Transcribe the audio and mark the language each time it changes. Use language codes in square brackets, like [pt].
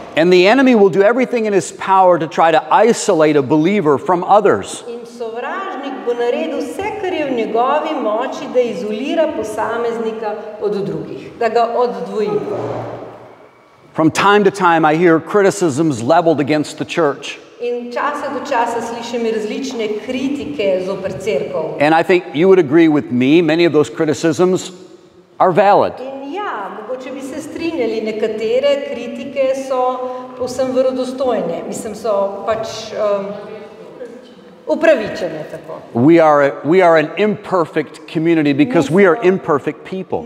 [en] And the enemy will do everything in his power to try to isolate a believer from others. [sl] In sovražnik bo naredil vse, kar je v njegovi moči, da izolira posameznika od drugih, da ga oddvoji. [en] From time to time I hear criticisms leveled against the church. [sl] In časa do časa slišim različne kritike zoper cerkev. [en] And I think you would agree with me, many of those criticisms are valid. [sl] In ja, mogoče bi se strinjali, nekatere kritike so povsem verodostojne. Mislim, so pač upravičene tako. [en] We are an imperfect community because we are imperfect people.